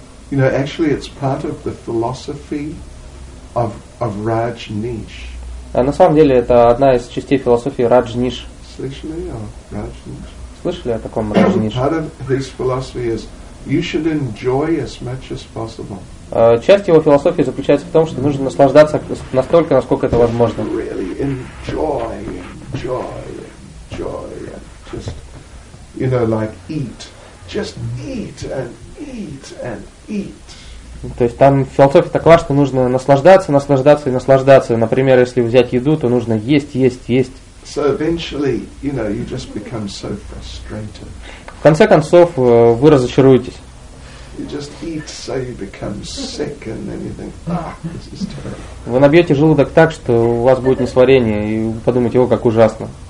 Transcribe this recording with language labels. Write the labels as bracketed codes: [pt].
[en] You know, actually, it's part of the philosophy of Rajneesh. [ru] На самом деле, это одна из частей философии Раджниш. Слышали о Раджниш? Слышали о таком Раджниш? [en] Part of his philosophy is you should enjoy as much as possible. [ru] Часть его философии заключается в том, что нужно наслаждаться настолько, насколько это возможно. [en] Really enjoy, and just, you know, like eat, just eat and eat and eat. [ru] То есть там философия такова, что нужно наслаждаться и наслаждаться. Например, если взять еду, то нужно есть. [en] So eventually, you know, you just become so frustrated. [ru] В конце концов, вы разочаруетесь. [en] You just eat, so you become sick, and then you think, this is terrible. [ru] Вы набьете желудок так, что у вас будет несварение, и вы подумаете, о, как ужасно.